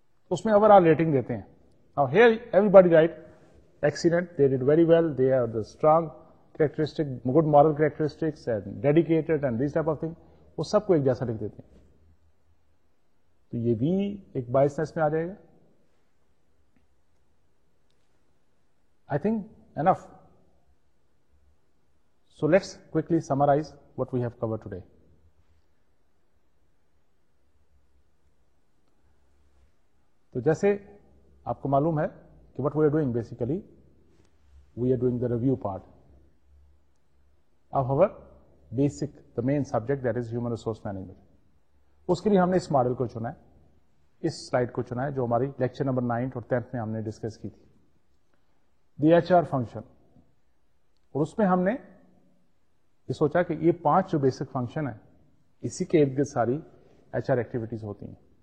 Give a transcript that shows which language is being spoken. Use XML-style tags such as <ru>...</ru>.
<en>اس میں overrating دیتے ہیں, now here everybody right, excellent, they did very well, they are the strong characteristic, good moral characteristics and dedicated and these type of thing,</en> <ur>وہ سب کو ایک جیسا لکھ دیتے ہیں, تو یہ بھی ایک بائسنس میں آ جائے گا.</ur> <en>I think enough, so let's quickly summarize what we have covered today.</en> <ur>تو جیسے آپ کو معلوم ہے کہ</ur> <en>what we are doing basically, we are doing the review part of our basic, the main subject, that is human resource management.</en> <ur>اس کے لیے ہم نے اس ماڈل کو چنا ہے, اس سلائڈ کو چنا ہے جو ہماری لیکچر نمبر 9th اور 10th میں ہم نے ڈسکس کی تھی, دی ایچ آر فنکشن, اور اس میں ہم نے یہ سوچا کہ یہ پانچ جو بیسک فنکشن ہیں اسی کے ارد گرد ساری ایچ آر ایکٹیویٹیز ہوتی ہیں,</ur>